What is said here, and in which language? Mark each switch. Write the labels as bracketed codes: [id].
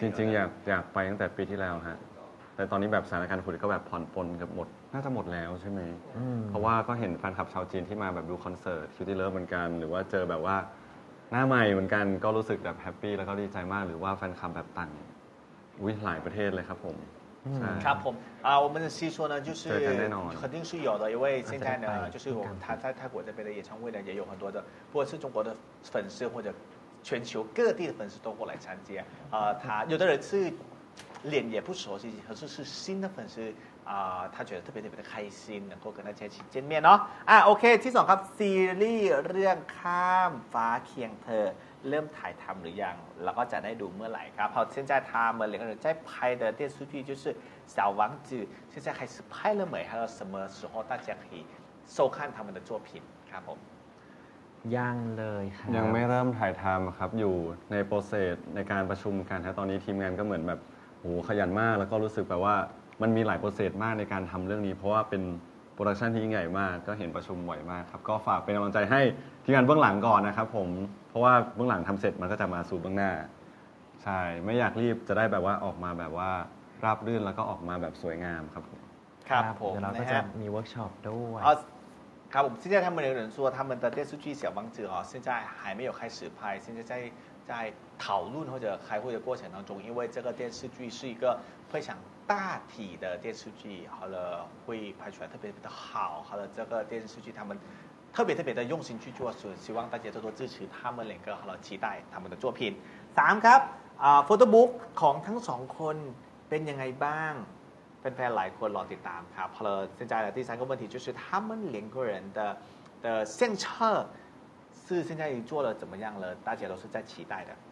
[th] จริงๆอยากไปตั้งแต่ปีที่แล้วฮะแต่ตอนนี้แบบสถานการณ์โควิดก็แบบผ่อนปลนกับหมดน่าจะหมดแล้วใช่ไห ม เพราะว่าก็เห็นแฟนคลับชาวจีนที่มาแบบดูคอนเสิร์ตคิวตี้เลิฟเหมือนกันหรือว่าเจอแบบว่าหน้าใหม่เหมือนกันก็รู้สึกแบบแฮปปี้แล้วก็ดีใจมากหรือว่าแฟนคลับแบบต่างอุ้ยหลายประเทศเลยครับผม ครับผม เ ราจะ [zh] 说呢就是肯定是有的因为现在呢就是我他在泰国这边的演唱会呢也有很多的不管是中国的粉丝或者全球各地的粉丝都过来参加他有的人是脸也不熟悉可是是新的粉丝他觉得特别特别的开心能够跟大家一起见面哦 [th] OK ที่สองครับซีรีส์เรื่องข้ามฟ้าเคียงเธอเริ่มถ่ายทำหรือยังแล้วก็จะได้ดูเมื่อไหร่ครับพอ [zh] 现在他们两个人在拍的电视剧就是小王子现在开始拍了没还有什么时候大家可以收看他们的作品 [th] ครับผม ยังเลยครับ ยังไม่เริ่มถ่ายทำครับอยู่ในโปรเซสในการประชุมกันฮะตอนนี้ทีมงานก็เหมือนแบบโหขยันมากแล้วก็รู้สึกแบบว่ามันมีหลายโปรเซสมากในการทำเรื่องนี้เพราะว่าเป็นโปรดักชันที่ใหญ่มากก็เห็นประชุมบ่อยมากครับก็ฝากเป็นกำลังใจให้ทีมงานเบื้องหลังก่อนนะครับผมเพราะว่าเบื้องหลังทำเสร็จมันก็จะมาสู่เบื้องหน้าใช่ไม่อยากรีบจะได้แบบว่าออกมาแบบว่าราบรื่นแล้วก็ออกมาแบบสวยงามครับ ครับ ผม เดี๋ยวเราก็จะมีเวิร์กช็อปด้วย ครับผม [zh] 现在他们有人说他们的电视剧小王子哦现在还没有开始拍现在在在讨论或者开会的过程当中，因为这个电视剧是一个非常大体的电视剧，好了，会拍出来特别的好，好了，这个电视剧他们特别特别的用心去做，所以希望大家多多支持他们两个，好了，期待他们的作品。 [th] 3ครับโฟโต้บุ๊กของทั้ง2คนเป็นยังไงบ้างแฟนๆหลายคนรอติดตามครับพอเราสนใจในที่3ก็มาที่ชุดชื่อ [zh] 他们两个人的相册是现在已经做了怎么样了大家都是在期待的